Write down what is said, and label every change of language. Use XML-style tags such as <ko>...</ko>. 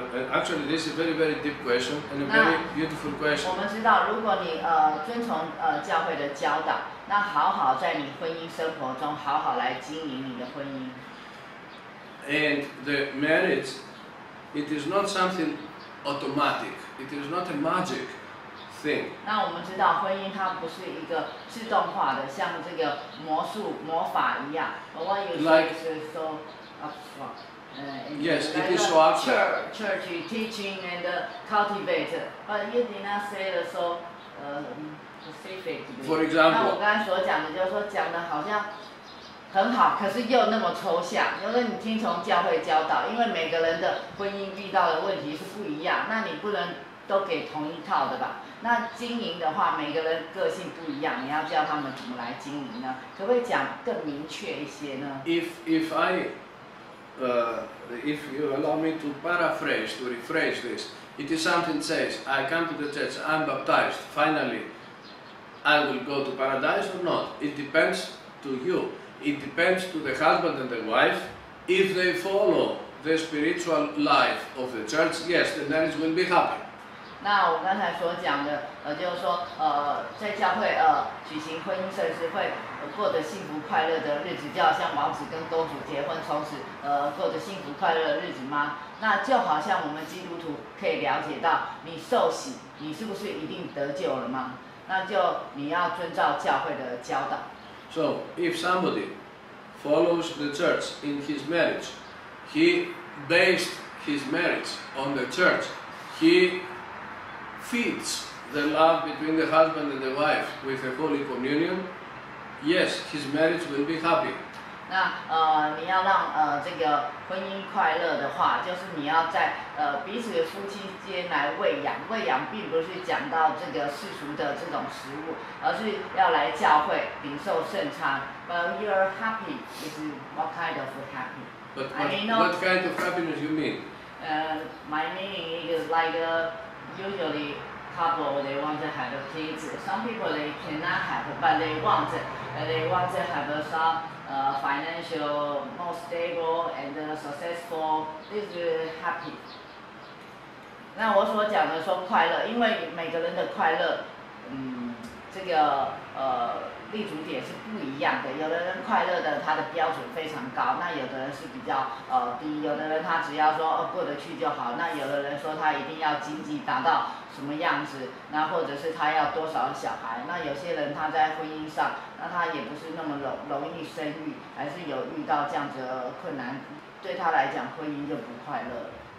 <en>Actually, this is a very, very deep question and a very beautiful question.</en> <zh>我们知道，如果你遵从教会的教导，那好好在你婚姻生活中好好来经营你的婚姻。</zh> <en>And the marriage, it is not something automatic. It is not a magic thing.</en> <zh>那我们知道，婚姻它不是一个自动化的，像这个魔术魔法一样。</zh> <en>But what you say is so upfront. Yes, like it is so abstract. Church teaching and cultivate, but you did not say the so specific. For example,</en> <zh>那我刚才所讲的，就是说讲的好像很好，可是又那么抽象。就是你听从教会教导，因为每个人的婚姻遇到的问题是不一样，那你不能都给同一套的吧？那经营的话，每个人个性不一样，你要教他们怎么来经营呢？可不可以讲更明确一些呢</zh> <en>If you allow me to paraphrase, to rephrase this, it is something says, I come to the church, I'm baptized, finally, I will go to paradise or not. It depends to you. It depends to the husband and the wife. If they follow the spiritual life of the church, yes, the marriage will be happy.</en> <zh>那我刚才所讲的，就是说，在教会举行婚姻圣事，会过得幸福快乐的日子，就好像王子跟公主结婚，从此过得幸福快乐的日子吗？那就好像我们基督徒可以了解到，你受洗，你是不是一定得救了吗？那就你要遵照教会的教导。</zh> <en>So if somebody follows the church in his marriage, he based his marriage on the church, he feeds the love between the husband and the wife with a holy communion, yes, his marriage will be happy.</en> <zh>那你要让这个婚姻快乐的话，就是你要在彼此的夫妻间来喂养。喂养并不是讲到这个世俗的这种食物，而是要来教会领受圣餐。</zh> <en>But you're happy is what kind of happy? But what kind of happiness you mean? My meaning is like usually, couple they want to have kids. Some people they cannot have, but they want. They want to have some financial more stable and successful. This is happy.</en> <zh>那我所讲的说快乐，因为每个人的快乐，这个立足点是不一样的。有的人快乐的他的标准非常高，那有的人是比较低，有的人他只要说过得去就好，那有的人说他一定要经济达到什么样子，那或者是他要多少小孩，那有些人他在婚姻上，那他也不是那么容易生育，还是有遇到这样子的困难，对他来讲婚姻就不快乐。</zh>